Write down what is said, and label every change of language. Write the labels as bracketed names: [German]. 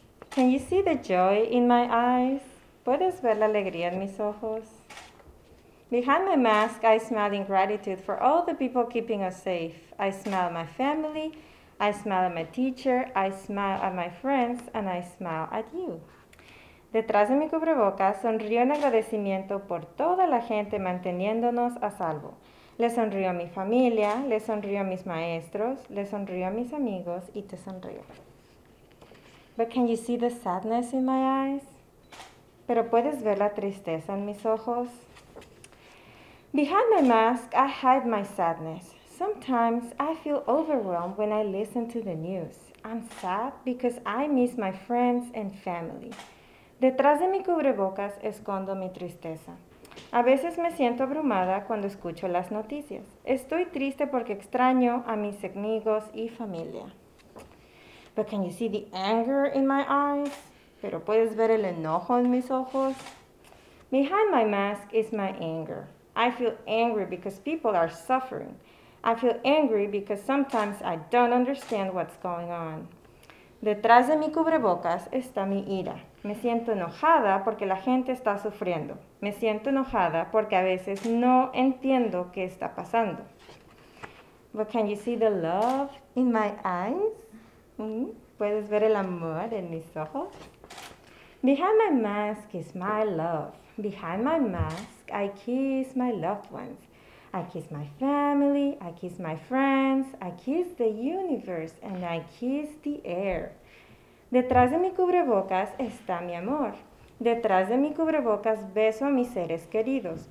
[English] Can you see the joy in my eyes? [Spanish] ¿Puedes ver la alegría en mis ojos? [English] Behind my mask, I smile in gratitude for all the people keeping us safe. I smile at my family, I smile at my teacher, I smile at my friends, and I smile at you. [Spanish] Detrás de mi cubrebocas, sonrío en agradecimiento por toda la gente manteniéndonos a salvo. Le sonrío a mi familia, le sonrío a mis maestros, le sonrío a mis amigos y te sonrío. [English] But can you see the sadness in my eyes? [Spanish] ¿Pero puedes ver la tristeza en mis ojos? [English] Behind my mask, I hide my sadness. Sometimes I feel overwhelmed when I listen to the news. I'm sad because I miss my friends and family. [Spanish] Detrás de mi cubrebocas escondo mi tristeza. A veces me siento abrumada cuando escucho las noticias. Estoy triste porque extraño a mis amigos y familia. [English] But can you see the anger in my eyes? [Spanish] ¿Pero puedes ver el enojo en mis ojos? [English] Behind my mask is my anger. I feel angry because people are suffering. I feel angry because sometimes I don't understand what's going on. [Spanish] Detrás de mi cubrebocas está mi ira. Me siento enojada porque la gente está sufriendo. Me siento enojada porque a veces no entiendo qué está pasando. [English] But can you see the love in my eyes? [Spanish] ¿Puedes ver el amor en mis ojos? [English] Behind my mask is my love. Behind my mask, I kiss my loved ones. I kiss my family, I kiss my friends, I kiss the universe, and I kiss the air. [Spanish] Detrás de mi cubrebocas está mi amor. Detrás de mi cubrebocas beso a mis seres queridos.